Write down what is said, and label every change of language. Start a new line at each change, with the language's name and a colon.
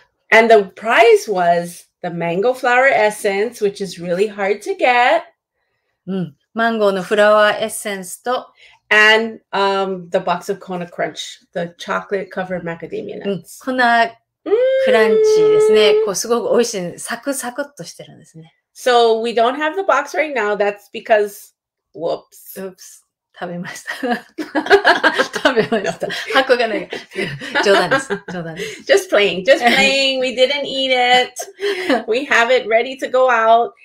English: And the prize was the mango flower essence, which is really hard to get.
Japanese: マンゴーのフラワーエッセンスと。
English: And the box of Kona Crunch, the chocolate covered macadamia nuts.
Japanese: クランチですね。こうすごく美味しい、サクサクっとしてるんですね。
English: So we don't have the box right now. That's because, whoops. Oops.
Japanese: 食べました。食べました。箱がない。冗談です。冗談です。
English: Just playing. Just playing. We didn't eat it. We have it ready to go out.